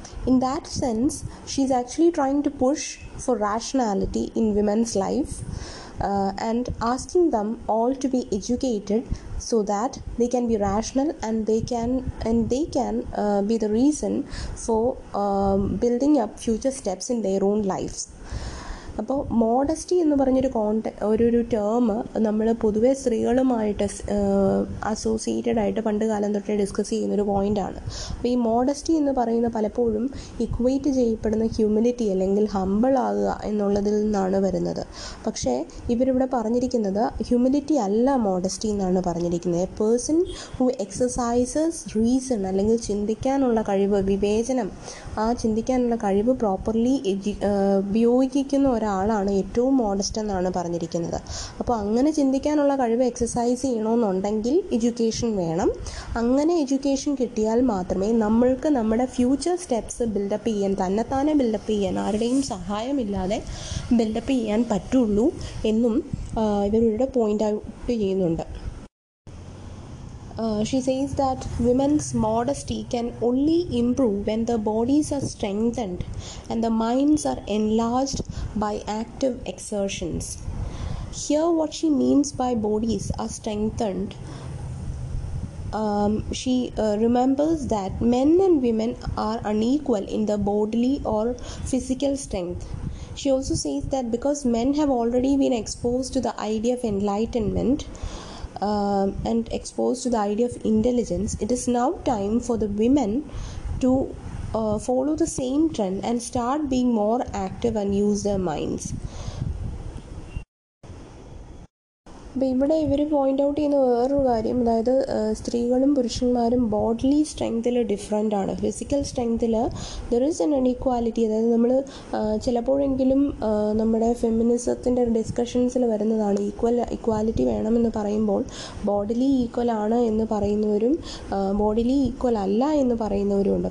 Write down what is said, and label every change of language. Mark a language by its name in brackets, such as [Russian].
[English] In that sense, she's actually trying to push for rationality in women's life. And asking them all to be educated so that they can be rational and they can be the reason for building up future steps in their own lives. [Malayalam] അപ്പോൾ modesty എന്ന് പറഞ്ഞൊരു ഒരു term നമ്മൾ പൊതുവേ സ്ത്രീകളുമായിട്ട് associated ആയിട്ട് പണ്ട് കാലം തൊട്ടേ ഡിസ്കസ് ചെയ്യുന്നൊരു പോയിൻ്റാണ്. അപ്പോൾ ഈ മോഡസ്റ്റി എന്ന് പറയുന്ന പലപ്പോഴും ഇക്വേറ്റ് ചെയ്യപ്പെടുന്ന ഹ്യൂമിലിറ്റി അല്ലെങ്കിൽ ഹമ്പിൾ ആകുക എന്നുള്ളതിൽ നിന്നാണ് വരുന്നത്. പക്ഷേ ഇവരിവിടെ പറഞ്ഞിരിക്കുന്നത് ഹ്യൂമിലിറ്റി അല്ല മോഡസ്റ്റി എന്നാണ് പറഞ്ഞിരിക്കുന്നത്. [English] a person who exercises reason [Malayalam] അല്ലെങ്കിൽ ചിന്തിക്കാനുള്ള കഴിവ്, വിവേചനം, ആ ചിന്തിക്കാനുള്ള കഴിവ് പ്രോപ്പർലി ഉപയോഗിക്കുന്ന ഒരാളാണ് ഏറ്റവും മോഡസ്റ്റ് എന്നാണ് പറഞ്ഞിരിക്കുന്നത്. അപ്പോൾ അങ്ങനെ ചിന്തിക്കാനുള്ള കഴിവ് എക്സസൈസ് ചെയ്യണമെന്നുണ്ടെങ്കിൽ എഡ്യൂക്കേഷൻ വേണം. അങ്ങനെ എഡ്യൂക്കേഷൻ കിട്ടിയാൽ മാത്രമേ നമ്മൾക്ക് നമ്മുടെ ഫ്യൂച്ചർ സ്റ്റെപ്സ് ബിൽഡപ്പ് ചെയ്യാൻ, തന്നെത്താനെ ബിൽഡപ്പ് ചെയ്യാൻ, ആരുടെയും സഹായമില്ലാതെ ബിൽഡപ്പ് ചെയ്യാൻ പറ്റുള്ളൂ എന്നും ഇവരുടെ പോയിന്റ് ഔട്ട് ചെയ്യുന്നുണ്ട്. [English] She says that women's modesty can only improve when the bodies are strengthened and the minds are enlarged by active exertions. Here what she means by bodies are strengthened, she remembers that men and women are unequal in the bodily or physical strength. She also says that because men have already been exposed to the idea of enlightenment, and exposed to the idea of intelligence, it is now time for the women to follow the same trend and start being more active and use their minds. [Malayalam] അപ്പോൾ ഇവിടെ ഇവർ point out ചെയ്യുന്ന വേറൊരു കാര്യം, അതായത് സ്ത്രീകളും പുരുഷന്മാരും bodily സ്ട്രെങ്തിൽ different ആണ്. Physical സ്ട്രെങ്തിൽ [English] There is an unequality. [Malayalam] അതായത് നമ്മൾ ചിലപ്പോഴെങ്കിലും നമ്മുടെ ഫെമിനിസത്തിൻ്റെ ഡിസ്കഷൻസിൽ വരുന്നതാണ് ഇക്വാലിറ്റി വേണമെന്ന് പറയുമ്പോൾ ബോഡിലി ഈക്വൽ ആണ് എന്ന് പറയുന്നവരും ബോഡിലി ഈക്വൽ അല്ല എന്ന് പറയുന്നവരും ഉണ്ട്.